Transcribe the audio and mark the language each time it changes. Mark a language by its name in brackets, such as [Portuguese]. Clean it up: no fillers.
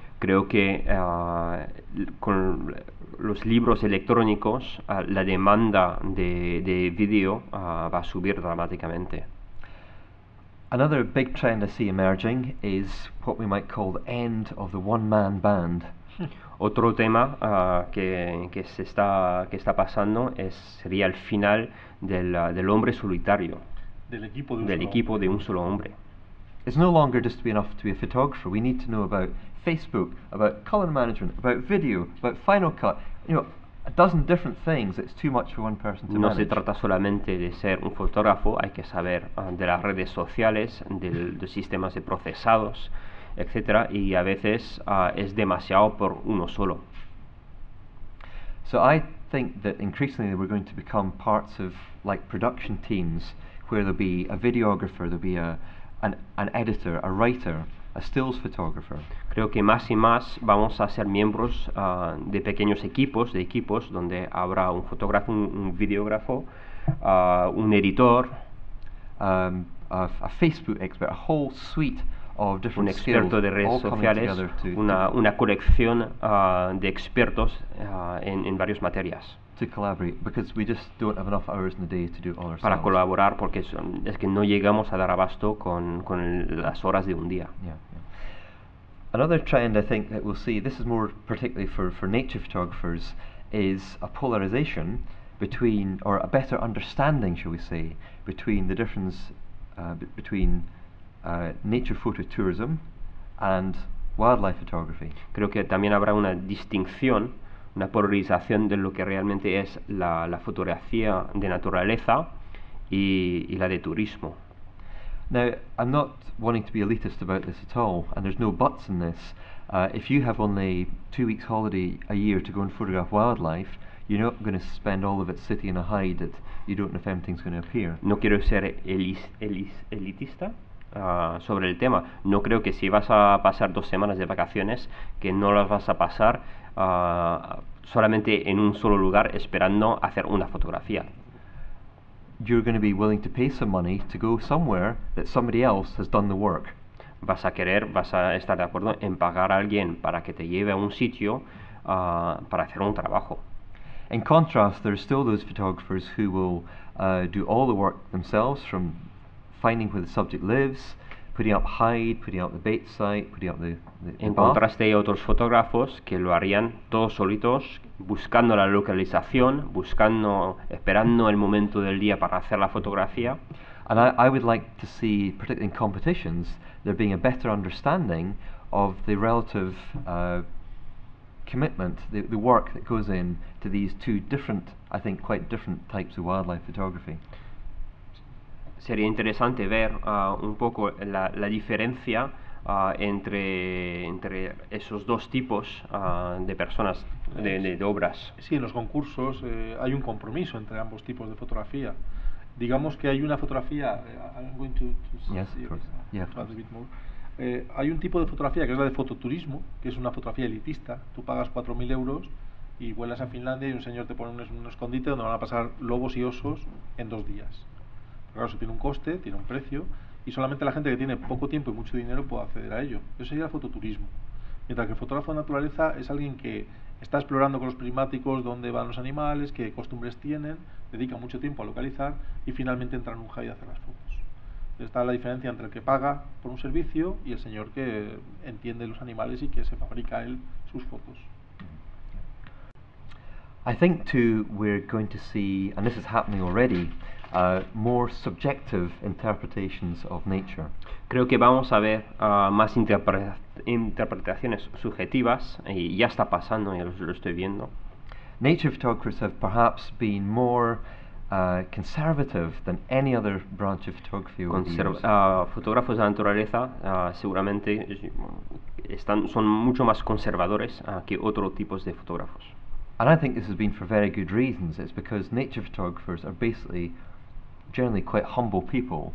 [Spanish] Creo que con los libros electrónicos la demanda de video va a subir dramáticamente. [English] Another big trend I see emerging is what we might call the end of the one-man band. [Spanish] Otro tema que está pasando sería el final del hombre solitario, del equipo de un solo hombre. [English] It's no longer just enough to be a photographer. We need to know about Facebook, about color management, about video, about Final Cut. You know, a dozen different things. It's too much for one person to manage. [Spanish] No se trata solamente de ser un fotógrafo. Hay que saber de las redes sociales, de sistemas de procesados, etc. Y a veces es demasiado por uno solo. [English] So I think that increasingly we're going to become parts of like production teams where there'll be a videographer, there'll be an editor, a writer, a stills photographer. [Spanish] Creo que más y más vamos a ser miembros de pequeños equipos, de equipos donde habrá un fotógrafo, un videógrafo, un editor, [English] a Facebook expert, a whole suite of different skills. [Spanish] Un experto de redes sociales, una colección de expertos en varias materias. [English] To collaborate because we just don't have enough hours in the day to do all ourselves. [Spanish] Para colaborar porque es que no llegamos a dar abasto con las horas de un día. Yeah. [English] Another trend I think that we'll see, this is more particularly for nature photographers, is a polarization between, or a better understanding, shall we say, between the difference between nature photo tourism and wildlife photography. [Spanish] Creo que también habrá una distinción, una polarización de lo que realmente es la fotografía de naturaleza y la de turismo. [English] Now, I'm not wanting to be elitist about this at all, and there's no buts in this. If you have only 2 weeks holiday a year to go and photograph wildlife, you're not going to spend all of it sitting in a hide that you don't know if anything's going to appear. [Spanish] No quiero ser elitista. Sobre el tema, no creo que si vas a pasar 2 semanas de vacaciones que no las vas a pasar solamente en un solo lugar esperando hacer una fotografía. [English] You're going to be willing to pay some money to go somewhere that somebody else has done the work. [Spanish] Vas a estar de acuerdo en pagar a alguien para que te lleve a un sitio para hacer un trabajo. [English] In contrast, there are still those photographers who will do all the work themselves, from finding where the subject lives, putting up hide, putting up the bait site, putting up the [Spanish] en contraste hay otros fotógrafos que lo harían todos solitos, buscando la localización, buscando, esperando el momento del día para hacer la fotografía. [English] And I would like to see, particularly in competitions, there being a better understanding of the relative commitment, the work that goes in to these two different, I think, quite different types of wildlife photography. [Spanish] Sería interesante ver un poco la diferencia entre esos dos tipos de personas, de obras. Sí, en los concursos hay un compromiso entre ambos tipos de fotografía. Digamos que hay una fotografía, hay un tipo de fotografía que es la de fototurismo, que es una fotografía elitista. Tú pagas 4.000 euros y vuelas a Finlandia y un señor te pone un escondite donde van a pasar lobos y osos en 2 días. Pero claro, eso tiene un coste, tiene un precio, y solamente la gente que tiene poco tiempo y mucho dinero puede acceder a ello. Eso sería el fototurismo. Mientras que el fotógrafo de naturaleza es alguien que está explorando con los prismáticos dónde van los animales, qué costumbres tienen, dedica mucho tiempo a localizar y finalmente entra en un jardín y hace las fotos. Está la diferencia entre el que paga por un servicio y el señor que entiende los animales y que se fabrica él sus fotos. [English] I think too we're going to see, and this is happening already, more subjective interpretations of nature. [Spanish] Creo que vamos a ver más interpretaciones subjetivas, y ya está pasando, ya lo estoy viendo. [English] Nature photographers have perhaps been more conservative than any other branch of photography. [Spanish] Fotógrafos de naturaleza seguramente son mucho más conservadores que otros tipos de fotógrafos. [English] And I think this has been for very good reasons. It's because nature photographers are basically generally quite humble people.